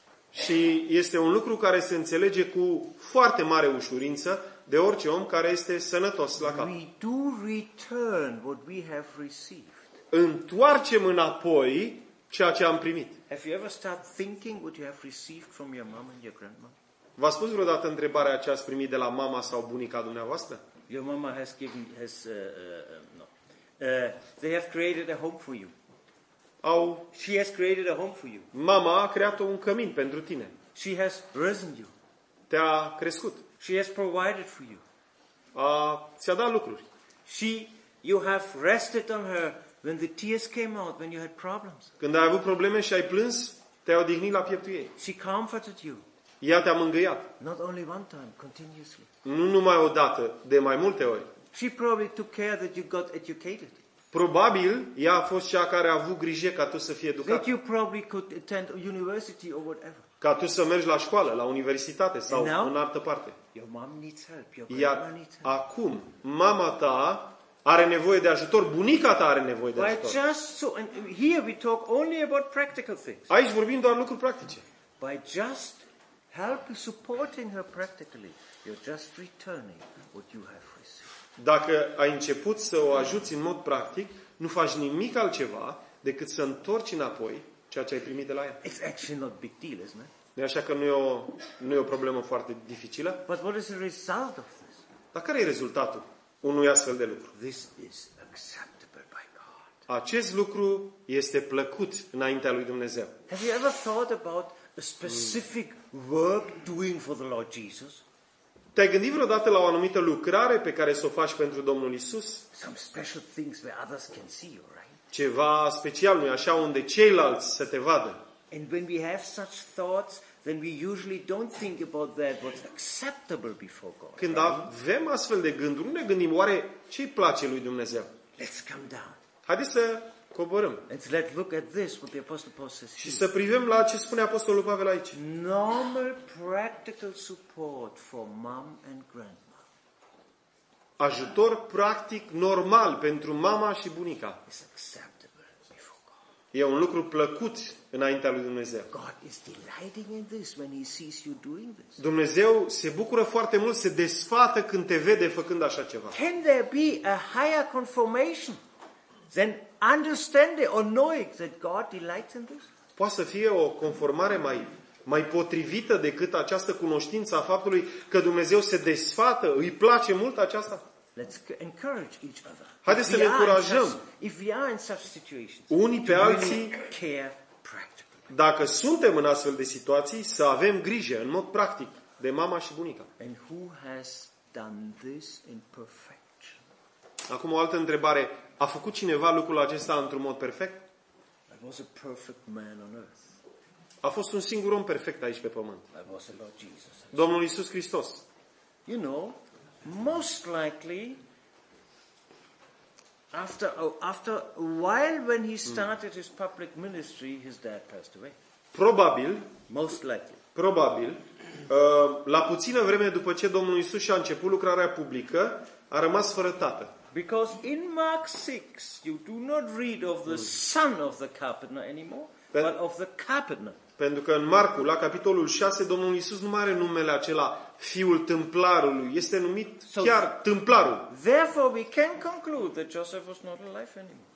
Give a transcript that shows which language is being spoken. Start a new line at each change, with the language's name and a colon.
Romanian: Și este un lucru care se înțelege cu foarte mare ușurință de orice om care este sănătos la cap.
English: We do return what we have received.
Romanian: Întoarcem înapoi ceea ce am primit.
English: Have you ever started thinking what you have received from your mom and your grandma?
Romanian: V-a spus vreodată întrebarea ce ați primit de la mama sau bunica dumneavoastră?
English: Your mama has given has no. They have created a home for you.
Romanian: Au,
English: she has created a home for you.
Romanian: Mama a creat un cămin pentru tine.
English: She has raised you.
Romanian: Te-a crescut.
English: She has provided for you.
Romanian: Ți-a dat lucruri.
English: She, you have rested on her when the tears came out when you had problems.
Romanian: Când ai avut probleme și ai plâns, te-a odihnit la pieptul ei.
English: She comforted you.
Romanian: Ea te-a mângâiat.
English: Not only one time, continuously.
Romanian: Nu numai o dată, de mai multe ori.
English: She probably took care that you got educated.
Romanian: Probabil ea a fost cea care a avut grijă ca tu să fii educat.
English: That you probably could attend university or whatever.
Romanian: Ca tu să mergi la școală, la universitate sau
English: now,
Romanian: în altă parte.
English: Your mom needs help. Your grandma needs help.
Romanian: Acum mama ta are nevoie de ajutor, bunica ta are nevoie de ajutor.
English: By just so, and here we talk only about practical things.
Romanian: Aici vorbim doar lucruri practice.
English: By just help supporting her practically, you're just returning what you have received.
Romanian: Dacă ai început să o ajuți în mod practic, nu faci nimic altceva decât să întorci înapoi ceea ce ai primit de la ea.
English: It's actually not big deal, isn't it?
Romanian: Nu-i așa că nu e o problemă foarte dificilă?
English: But what is the result of this?
Romanian: Dar care e rezultatul unui astfel de lucru?
English: This is acceptable by God.
Romanian: Acest lucru este plăcut înaintea lui Dumnezeu.
English: Have you ever thought about a specific work doing for the Lord Jesus?
Romanian: Te-ai gândit vreodată la o anumită lucrare pe care să o faci pentru Domnul Iisus?
English: Some special things where others can see you, right?
Romanian: Ceva special, nu-i așa, unde ceilalți să te vadă.
English: And when we have such thoughts, then we usually don't think about that what's acceptable before God.
Romanian: Când avem astfel de gânduri, nu ne gândim oare ce-i place lui Dumnezeu.
English: Let's come down.
Romanian: Haideți să coborâm.
English: Let's let look at this what the apostle Paul says.
Romanian: Și să privim la ce spune apostolul Pavel aici.
English: Normal practical support for mom and grandma.
Romanian: Ajutor practic normal pentru mama și bunica.
English: It's acceptable before God.
Romanian: E un lucru plăcut înaintea lui Dumnezeu.
English: God is delighting in this when he sees you doing this.
Romanian: Dumnezeu se bucură foarte mult, se desfată când te vede făcând așa ceva.
English: Can there be a higher confirmation than understanding or knowing that God delights in this?
Romanian: Poate să fie o conformare mai potrivită decât această cunoștință a faptului că Dumnezeu se desfată, îi place mult aceasta?
English: Let's encourage each other.
Romanian: Haideți să ne încurajăm.
English: If we are in such situations.
Romanian: Unii pe alții.
English: Care.
Romanian: Dacă suntem în astfel de situații, să avem grijă, în mod practic, de mama și bunica.
English: And who has done this in perfection?
Romanian: Acum o altă întrebare. A făcut cineva lucrul acesta într-un mod perfect?
English: I was a perfect man on earth.
Romanian: A fost un singur om perfect aici pe pământ.
English: I was the Lord Jesus.
Romanian: Domnul Iisus Hristos.
English: You know, most likely, after a while when he started his public ministry, his dad passed away.
Romanian: Probabil,
English: most likely.
Romanian: Probabil, la puțină vreme după ce Domnul Iisus și-a început lucrarea publică, a rămas fără tată.
English: Because in Mark 6 you do not read of the son of the carpenter anymore, but of the carpenter.
Romanian: Pentru că în Marcu, la capitolul 6, Domnul Iisus nu mai are numele acela fiul tâmplarului, este numit chiar tâmplarul.
English: Therefore we can conclude that Joseph was not alive anymore.